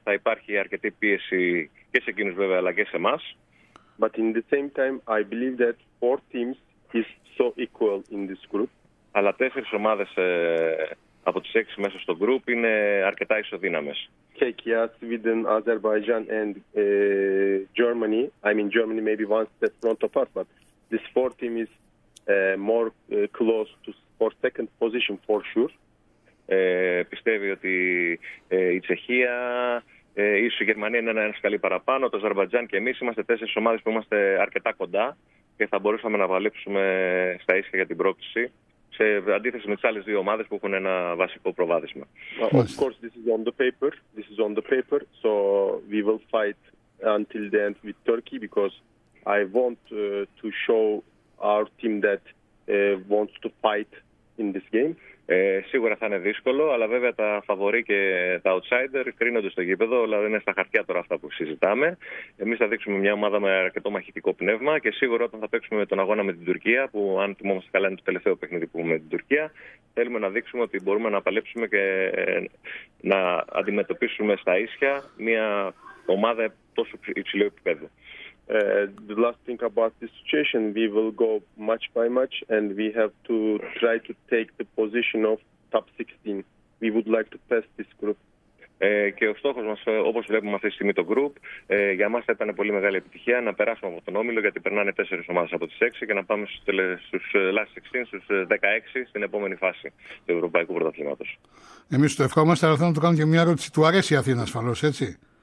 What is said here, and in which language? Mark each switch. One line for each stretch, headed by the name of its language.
Greek: Θα υπάρχει αρκετή πίεση και σε εκείνους βέβαια, αλλά και σε εμάς.
English: But in the same time, I believe that four teams is so equal in this group.
Greek: Αλλά τέσσερις ομάδες από τις έξι μέσα στο group είναι αρκετά ισοδύναμες.
English: Czechia, Sweden, Azerbaijan and Germany. I mean Germany maybe one step front of us, but this fourth team is more close to for second position for sure.
Greek: Πιστεύει ότι η Τσεχία, ίσως η Γερμανία είναι ένα σκαλί παραπάνω, το Αζερβαϊτζάν και εμείς είμαστε τέσσερις ομάδες που είμαστε αρκετά κοντά και θα μπορούσαμε να βαλέψουμε στα ίσια για την πρόκληση. Σε αντίθεση με τις άλλες δύο ομάδες που έχουν ένα βασικό προβάδισμα.
English: Of course, this is on the paper. This is on the paper. So we will fight until the end with Turkey because I want to show our team that wants to fight in this game.
Greek: Σίγουρα θα είναι δύσκολο, αλλά βέβαια τα φαβορί και τα outsider κρίνονται στο γήπεδο, αλλά δεν είναι στα χαρτιά τώρα αυτά που συζητάμε. Εμείς θα δείξουμε μια ομάδα με αρκετό μαχητικό πνεύμα και σίγουρα όταν θα παίξουμε τον αγώνα με την Τουρκία, που αν θυμόμαστε καλά είναι το τελευταίο παιχνίδι που έχουμε με την Τουρκία, θέλουμε να δείξουμε ότι μπορούμε να παλέψουμε και να αντιμετωπίσουμε στα ίσια μια ομάδα τόσο υψηλού επίπεδου.
English: The last thing about this situation, we will go match by match and we have to try to take the position of top 16. We would like to pass this group.
Greek: Και ο στόχος μας, όπως βλέπουμε αυτή τη στιγμή το group, για μας θα ήταν πολύ μεγάλη επιτυχία να περάσουμε από τον όμιλο, γιατί περνάνε 4 ομάδες από τις 6 και να πάμε στους last 16, στους 16, στην επόμενη φάση του Ευρωπαϊκού Πρωταθλήματος. Εμείς το ευχόμαστε, αλλά θέλω να το κάνω και μια ερώτηση. Του αρέσει η Αθήνα ασφαλώς, έτσι?